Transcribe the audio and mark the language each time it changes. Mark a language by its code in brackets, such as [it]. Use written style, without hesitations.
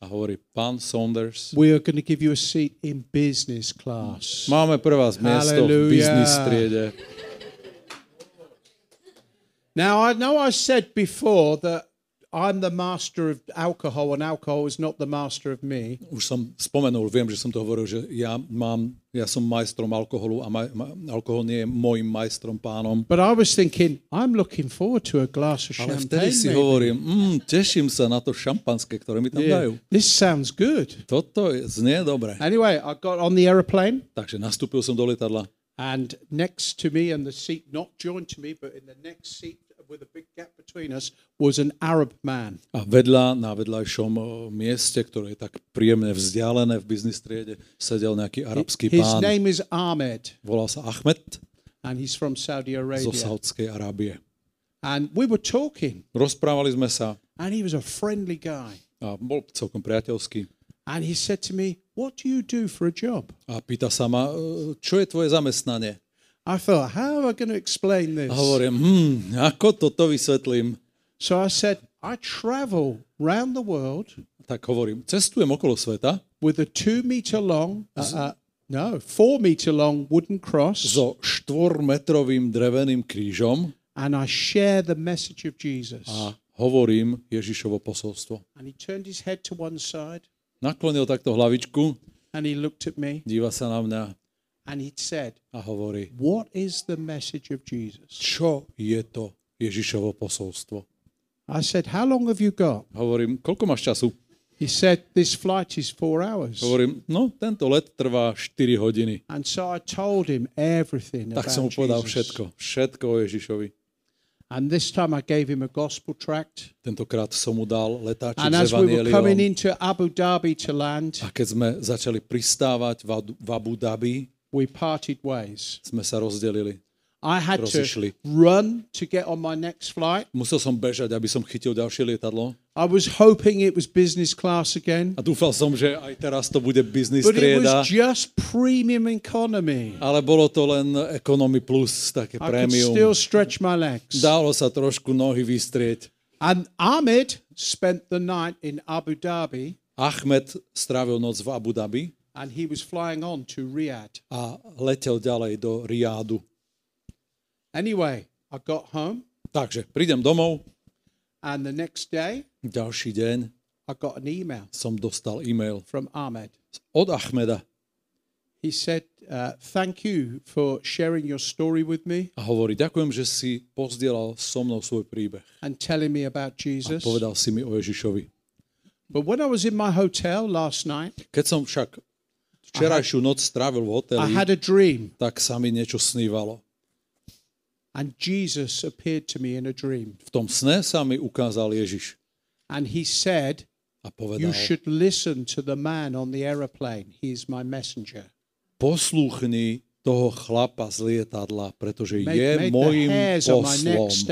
[sk] A hovorí, pán Saunders. [en] "We are going to give you a seat in business class." [sk] Máme pre vás miesto v business triede. [en] Now I know I said before that I'm the master of alcohol and alcohol is not the master of me. [sk] Už som spomenul, viem, že som to hovoril, že ja som majstrom alkoholu a alkohol nie je môjim majstrom, pánom. [en] But I was thinking, I'm looking forward to a glass of champagne. [sk] Ale vtedy si [en] maybe. [sk] Hovorím, teším sa na to šampanské, ktoré mi tam dajú. [en] This sounds good. [sk] Toto znie dobre. [en] Anyway, I got on the aeroplane. [sk] Takže nastúpil som do lietadla. [en] And next to me and the seat not joined to me but in the next seat with a big gap between us was an Arab man. [sk] A vedľa na vedľajšom mieste, ktoré je tak príjemne vzdialené v biznis triede, sedel nejaký arabský [en] his [sk] pán. [en] His name is Ahmed. [sk] Volal sa Ahmed. [en] And he's from Saudi Arabia. [sk] Zo Saudskej Arábie. [en] And we were talking. [sk] Rozprávali sme sa. [en] And he was a friendly guy. [sk] A bol celkom priateľský. [en] And he said to me, "What do you do for a job?" [sk] A pýta sa ma, čo je tvoje zamestnanie? [en] I thought, how am I going to explain this? [sk] A hovorím, ako toto vysvetlím? [en] So I said, I travel round the world. [sk] Tak hovorím, cestujem okolo sveta. [en] With a 2 meter long, no, 4 meter long wooden cross. [sk] So 4-metrovým dreveným krížom. [en] And I share the message of Jesus. [sk] A hovorím Ježišovo posolstvo. [en] And he turned his head to one side. [sk] Naklonil takto hlavičku. [en] And he looked at me. [sk] Díva sa na mňa. [en] And he said, [sk] a hovorí, [en] what is the message of Jesus? [sk] Čo je to Ježišovo posolstvo? [en] I said, how long have you got? [sk] Hovorím, koľko máš času? [en] He said, this flight is 4 hours. [sk] Hovorím, no, tento let trvá 4 hodiny. [en] And so I told him everything about Jesus. [sk] Tak som mu povedal všetko. Všetko o Ježišovi. [en] And this time I gave him a gospel tract. [sk] Tentokrát som mu dal letáčik s [en] And as we were coming into Abu Dhabi to land. [sk] A keď sme začali pristávať v Abu Dhabi. [en] We parted ways. [sk] Sme sa rozdelili. [en] I had [sk] rozišli. [en] To run to get on my next flight. [sk] Musel som bežať, aby som chytil ďalšie lietadlo. [en] I was hoping it was business class again. [sk] A dúfal som, že aj teraz to bude business [en] but But it was just premium economy. [sk] Ale bolo to len economy plus, také [en] I premium. I could still stretch my legs. [sk] Dalo sa trošku nohy vystrieť. [en] And Ahmed spent the night in Abu Dhabi. [sk] Ahmed strávil noc v Abu Dhabi. [en] And he was flying on to Riyadh. [sk] A letel ďalej do Riádu. [en] Anyway, I got home. [sk] Takže prídem domov. [en] And the next day, [sk] ďalší deň, [en] I got an email. [sk] Som dostal email [en] from Ahmed. [sk] Od Ahmeda. [en] He said, "Thank you for sharing your story with me." [sk] A hovorí, ďakujem, že si pozdielal so mnou svoj príbeh. [en] And telling me about Jesus. [sk] A povedal si mi o Ježišovi. [en] But when I was in my hotel last night, [sk] keď som však včerajšiu noc strávil v hoteli, [en] I had a dream. [sk] Tak sa mi niečo snívalo. [en] And Jesus appeared to me in a dream. [sk] V tom sne sa mi ukázal Ježiš. [en] And he said, [sk] a povedal, [en] you should listen to the man on the aeroplane. He is my messenger. [sk] Poslúchni toho chlapa z lietadla, pretože je mojím poslom.